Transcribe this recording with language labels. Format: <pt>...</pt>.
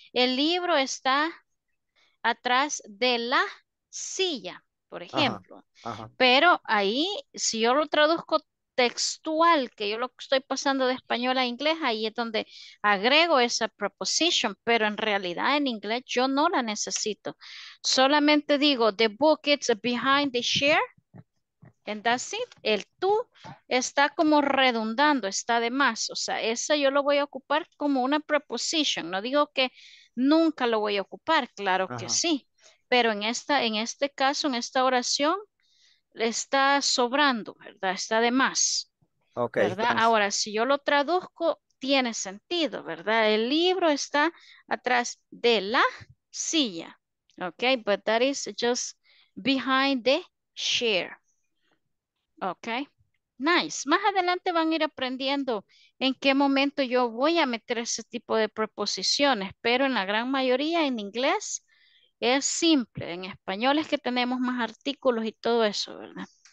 <es>El libro está atrás de la silla, por Ajá, ejemplo. ajá. Pero ahí, si yo lo traduzco textual, que yo lo estoy pasando de español a inglés, ahí es donde agrego esa preposición, pero en realidad en inglés yo no la necesito. Solamente digo,</es> <en>the book is behind the chair, and that's it.</en> <es>El tú está como redundando, está de más. O sea, esa yo lo voy a ocupar como una preposición. No digo que nunca lo voy a ocupar, claro que Ajá. sí. Pero en este caso, en esta oración, le está sobrando, ¿verdad? Está de más, Okay, ¿verdad? entonces. Ahora, si yo lo traduzco, tiene sentido, ¿verdad? El libro está atrás de la silla.</es> <en>Ok, but that is just behind the chair. Ok, nice.</en> <es>Más adelante van a ir aprendiendo en qué momento yo voy a meter ese tipo de preposiciones, pero en la gran mayoría en inglés. Es simple, en español es que tenemos más artículos y todo eso, ¿verdad?</es>